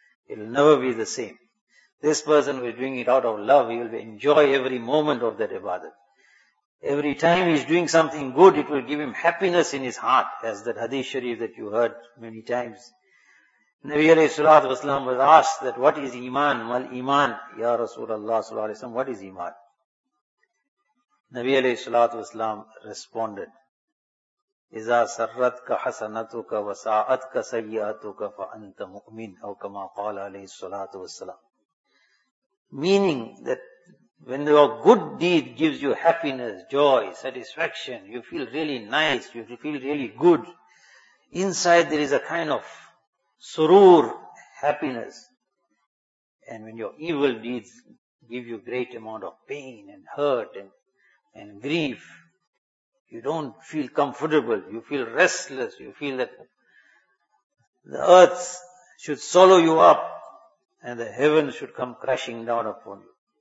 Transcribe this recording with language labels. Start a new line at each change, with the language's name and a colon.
English: It will never be the same. This person who is doing it out of love, he will enjoy every moment of that ibadat. Every time he is doing something good, it will give him happiness in his heart, as that hadith sharif that you heard many times. Nabi alayhi salatu wasalam was asked that, what is iman?
Arabic: Mal iman? Ya Rasulullah sallallahu alayhi wa sallam,
English: what is iman?
Arabic: Nabi alayhi salatu wasalam responded, إِذَا سَرَّتْكَ حَسَنَتُكَ وَسَاءَتْكَ سَيِّئَتُكَ فَأَنْتَ مُؤْمِنْ أَوْ كَمَا قَالَ عَلَيْهِ الصَّلَاةُ وَالسَّلَامُ.
English: Meaning that when your good deed gives you happiness, joy, satisfaction, you feel really nice, you feel really good, inside there is a kind of surur, happiness. And when your evil deeds give you great amount of pain and hurt and grief, you don't feel comfortable, you feel restless, you feel that the earth should swallow you up and the heavens should come crashing down upon you.